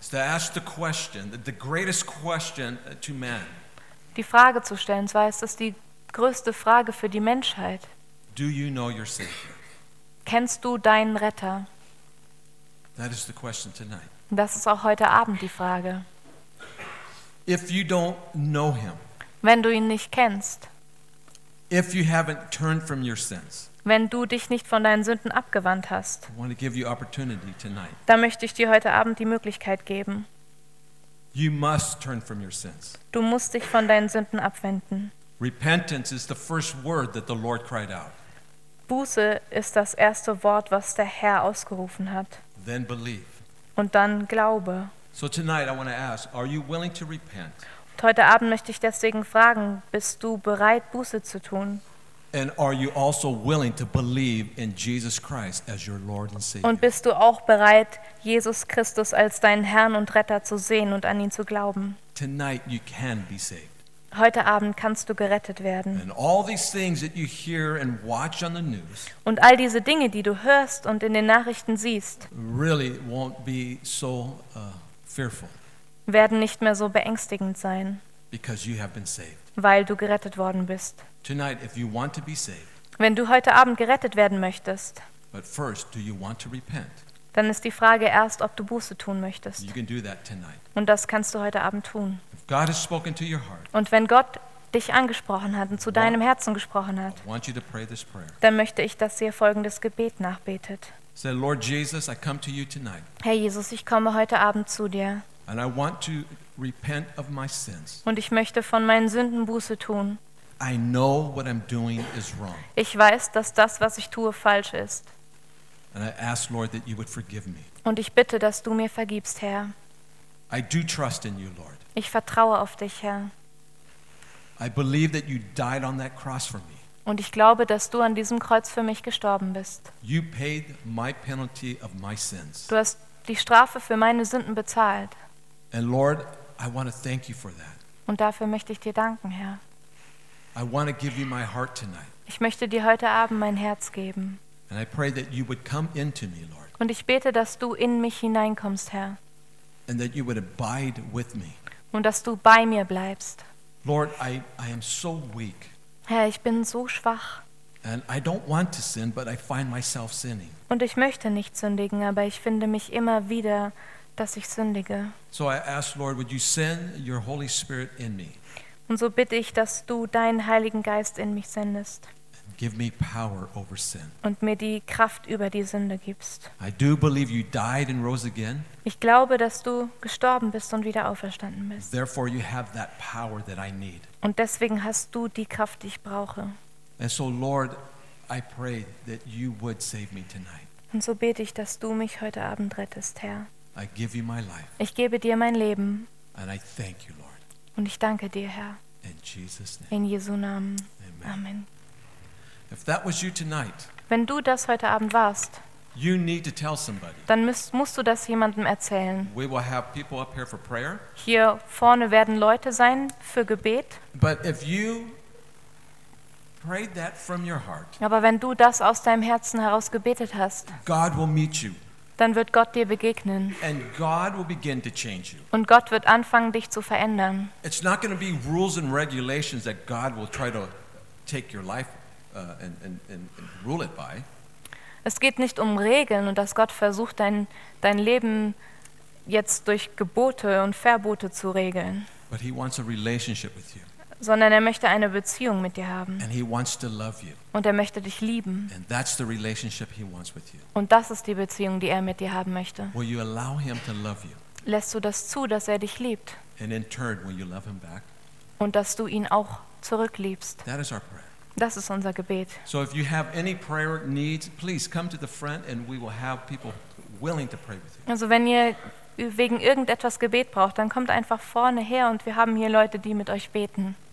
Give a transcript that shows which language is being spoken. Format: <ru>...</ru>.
<en>to ask the question, the greatest question to man,</en> <de>die Frage zu stellen, und zwar ist das die größte Frage für die Menschheit.</de> <en>Do you know your Savior?</en> <de>Kennst du deinen Retter?</de> <en>That is the question tonight.</en> <de>Das ist auch heute Abend die Frage.</de> <en>If you don't know him,</en> <de>wenn du ihn nicht kennst,</de> <en>if you haven't turned from your sins,</en> <de>wenn du dich nicht von deinen Sünden abgewandt hast,</de> <en>I want to give you opportunity tonight.</en> <de>Dann möchte ich dir heute Abend die Möglichkeit geben.</de> <en>You must turn from your sins.</en> <de>Du musst dich von deinen Sünden abwenden.</de> <en>Repentance is the first word that the Lord cried out.</en> <de>Buße ist das erste Wort, was der Herr ausgerufen hat.</de> <en>Then believe.</en> <de>Und dann glaube.</de> <en>So tonight I want to ask, are you willing to repent?</en> <de>Und heute Abend möchte ich deswegen fragen, bist du bereit, Buße zu tun?</de> <en>And are you also willing to believe in Jesus Christ as your Lord and Savior?</en> <de>Und bist du auch bereit, Jesus Christus als deinen Herrn und Retter zu sehen und an ihn zu glauben?</de> <en>Tonight you can be saved.</en> <de>Heute Abend kannst du gerettet werden.</de> <en>And all these things that you hear and watch on the news.</en> <de>Und all diese Dinge, die du hörst und in den Nachrichten siehst.</de> <en>Really won't be so fearful.</en> <de>Werden nicht mehr so beängstigend sein.</de> <en>Because you have been saved.</en> <de>Weil du gerettet worden bist.</de> <en>Tonight, if you want to be saved,</en> <de>wenn du heute Abend gerettet werden möchtest,</de> <en>but first, do you want to repent?</en> <de>Dann ist die Frage erst, ob du Buße tun möchtest.</de> <en>You can do that tonight.</en> <de>Und das kannst du heute Abend tun.</de> <en>If God has spoken to your heart,</en> <de>und wenn Gott dich angesprochen hat und zu deinem Herzen gesprochen hat,</de> <en>I want you to pray this prayer.</en> <de>Dann möchte ich, dass ihr folgendes Gebet nachbetet.</de> <en>Say, Lord Jesus, I come to you tonight.</en> <de>Herr Jesus, ich komme heute Abend zu dir.</de> <en>And I want to repent of my sins.</en> <de>Und ich möchte von meinen Sünden Buße tun.</de> <en>I know what I'm doing is wrong.</en> <de>Ich weiß, dass das, was ich tue, falsch ist.</de> <en>And I ask, Lord, that you would forgive me.</en> <de>Und ich bitte, dass du mir vergibst, Herr.</de> <en>I do trust in you, Lord.</en> <de>Ich vertraue auf dich, Herr.</de> <en>I believe that you died on that cross for me.</en> <de>Und ich glaube, dass du an diesem Kreuz für mich gestorben bist.</de> <en>You paid my penalty of my sins.</en> <de>Du hast die Strafe für meine Sünden bezahlt.</de> <en>And Lord, I want to thank you for that.</en> <de>Und dafür möchte ich dir danken, Herr.</de> <en>I want to give you my heart tonight.</en> <de>Ich möchte dir heute Abend mein Herz geben.</de> <en>And I pray that you would come into me, Lord.</en> <de>Und ich bete, dass du in mich hineinkommst, Herr.</de> <en>And that you would abide with me.</en> <de>Und dass du bei mir bleibst.</de> <en>Lord, I am so weak.</en> <de>Herr, ich bin so schwach.</de> <en>And I don't want to sin, but I find myself sinning.</en> <de>Und ich möchte nicht sündigen, aber ich finde mich immer wieder, dass ich sündige.</de> <en>So I ask, Lord, would you send your Holy Spirit in me?</en> <de>Und so bitte ich, dass du deinen Heiligen Geist in mich sendest.</de> <en>Give me power over sin.</en> <de>Und mir die Kraft über die Sünde gibst.</de> <en>I do believe you died and rose again.</en> <de>Ich glaube, dass du gestorben bist und wieder auferstanden bist.</de> <en>Therefore you have that power that I need.</en> <de>Und deswegen hast du die Kraft, die ich brauche.</de> <en>And so, Lord, I pray that you would save me tonight.</en> <de>Und so bete ich, dass du mich heute Abend rettest, Herr.</de> <en>I give you my life.</en> <de>Ich gebe dir mein Leben.</de> <en>And I thank you, Lord.</en> <de>Und ich danke dir, Herr.</de> <en>In Jesus</en> <de>name. In Jesu Namen. Amen. Amen.</de> <en>If that was you tonight,</en> <de>wenn du das heute Abend warst,</de> <en>you need to tell somebody.</en> <de>Dann musst du das jemandem erzählen.</de> <en>We will have people up here for prayer.</en> <de>Hier vorne werden Leute sein für Gebet.</de> <en>But if you prayed that from your heart,</en> <de>aber wenn du das aus deinem Herzen heraus gebetet hast,</de> <en>God will meet you.</en> <de>Dann wird Gott dir begegnen.</de> <en>And God will begin to change you.</en> <de>Und Gott wird anfangen, dich zu verändern.</de> <en>It's not going to be rules and regulations that God will try to take your life and rule it by.</en> <de>Es geht nicht um Regeln und dass Gott versucht, dein Leben jetzt durch Gebote und Verbote zu regeln.</de> <en>But he wants a relationship with you.</en> <de>Sondern er möchte eine Beziehung mit dir haben.</de> <en>And he wants to love you.</en> <de>Und er möchte dich lieben.</de> <en>And that's the relationship he wants with you.</en> <de>Und das ist die Beziehung, die er mit dir haben möchte.</de> <en>Will you allow him to love you?</en> <de>Lässt du das zu, dass er dich liebt?</de> <en>And in turn, will you love him back?</en> <de>Und dass du ihn auch zurückliebst?</de> <en>That is our prayer.</en> <de>Das ist unser Gebet.</de> <en>So if you have any prayer needs, please come to the front and we will have people willing to pray with you.</en> <de>Also wenn ihr wegen irgendetwas Gebet braucht, dann kommt einfach vorne her und wir haben hier Leute, die mit euch beten.</de>